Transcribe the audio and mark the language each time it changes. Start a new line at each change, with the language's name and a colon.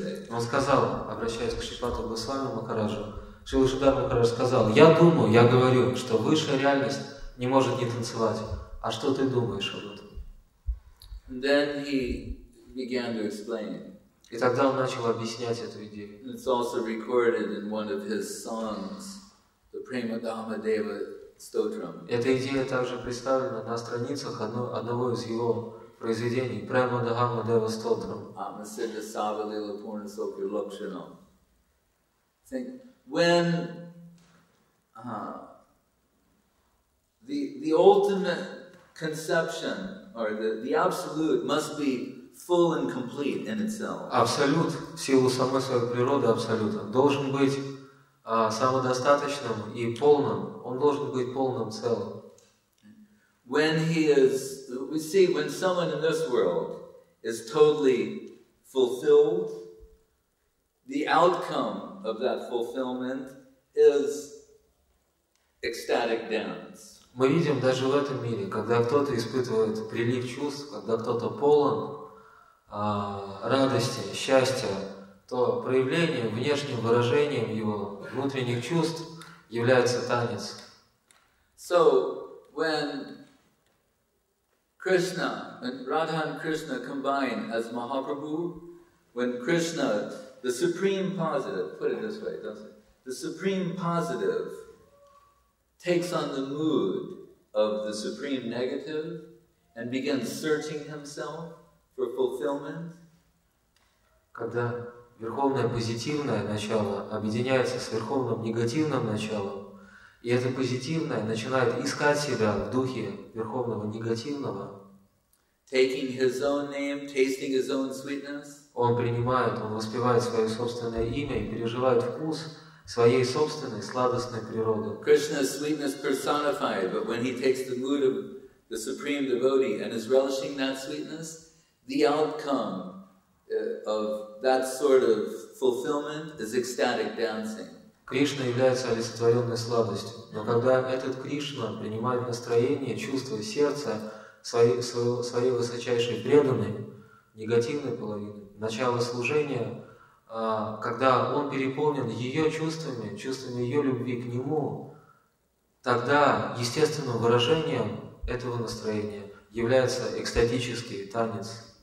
Russian: Он сказал, обращаясь к Шрипаду Госвами Махараджу, Шрила Шридхар Махарадж сказал, я думаю, я говорю, что высшая реальность не может не танцевать. А что ты думаешь об этом?
English: And then he began to explain.
Russian: И тогда он начал объяснять эту идею.
English: And it's also recorded in one of his songs, the Prema Dhamma Deva Stotram.
Russian: Эта идея также представлена на страницах одного из его произведений, Prema Dhamma Deva Stotram.
Sanskrit: Amasiddha Savalila Purnasopya Lakshanam.
English: When the ultimate conception or the absolute must be full and complete in itself.
Russian: Абсолют в силу самой своей природы абсолюта должен быть самодостаточным и полным. Он должен быть полным целым.
English: When he is, we see when someone in this world is totally fulfilled, the outcome of that fulfillment is ecstatic dance.
Russian: Мы видим даже в этом мире, когда кто-то испытывает прилив чувств, когда кто-то полон радости, счастья, то проявлением, внешним выражением его внутренних чувств является танец. So when Krishna and Radha and Krishna combine as Mahaprabhu, when Krishna, the supreme positive, put it this way, doesn't it? The supreme positive takes on the mood of the supreme negative and begins searching himself for fulfillment. Когда верховное позитивное начало объединяется с верховным негативным началом, и это позитивное начинает искать себя в духе верховного негативного,
English: taking his own name, tasting his own sweetness.
Russian: Он принимает, он воспевает свое собственное имя и переживает вкус своей собственной сладостной природы.
English: Krishna's sweetness personified, but when he takes the mood of the supreme devotee and is relishing that sweetness, the outcome of that sort of fulfillment is ecstatic dancing.
Russian: Кришна является олицетворенной сладостью. Но когда этот Кришна принимает настроение, чувство и сердце своей высочайшей преданной, негативной половины, начало служения, когда он переполнен ее чувствами, чувствами ее любви к нему, тогда естественным выражением этого настроения является экстатический танец.